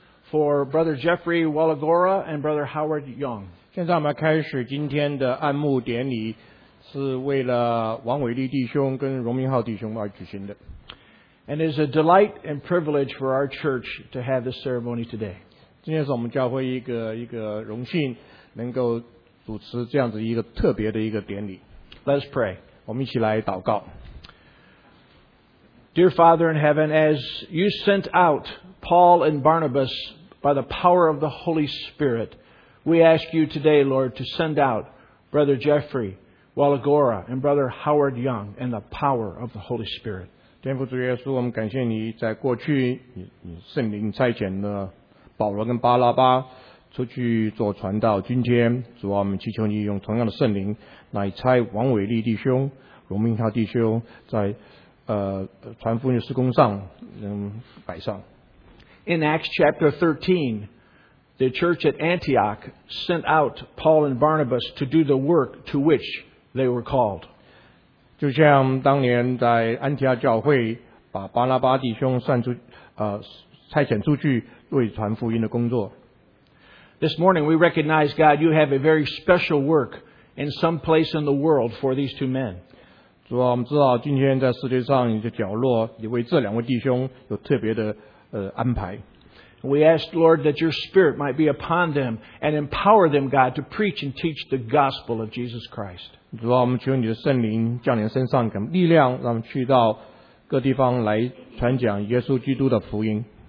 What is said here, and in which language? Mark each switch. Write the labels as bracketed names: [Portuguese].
[English] for Brother Jeffrey Walagora and Brother Howard Young. [Chinese] 现在我们开始今天的按幕典礼，是为了王伟立弟兄跟荣明浩弟兄而举行的。 [English] And it is a delight and privilege for our church to have this ceremony today. [Chinese] 今天是我们教会一个荣幸，能够主持这样子一个特别的一个典礼。 [English] Let's pray. [Chinese] 我们一起来祷告。 [English] Dear Father in heaven, as you sent out Paul and Barnabas by the power of the Holy Spirit, we ask you today, Lord, to send out Brother Jeffrey Walagora and Brother Howard Young and the power of the Holy Spirit. [Chinese] 天父主耶稣，我们感谢你在过去你圣灵差遣了保罗跟巴拉巴出去做传道。今天主啊，我们祈求你用同样的圣灵来差王伟立弟兄、荣明浩弟兄在传福音的施工上摆上。 [English] In Acts chapter 13, the church at Antioch sent out Paul and Barnabas to do the work to which they were called. [Chinese] 就像当年在安提阿教会把巴拉巴弟兄差遣出去为传福音的工作。 [English] This morning we recognize God, you have a very special work in some place in the world for these two men. [Chinese] 主啊，我们知道今天在世界上一个角落，你为这两位弟兄有特别的安排。 [English] We ask Lord that Your Spirit might be upon them and empower them, God, to preach and teach the gospel of Jesus Christ. [Chinese] 主啊，我们求你的圣灵降临身上，给力量，让我们去到各地方来传讲耶稣基督的福音。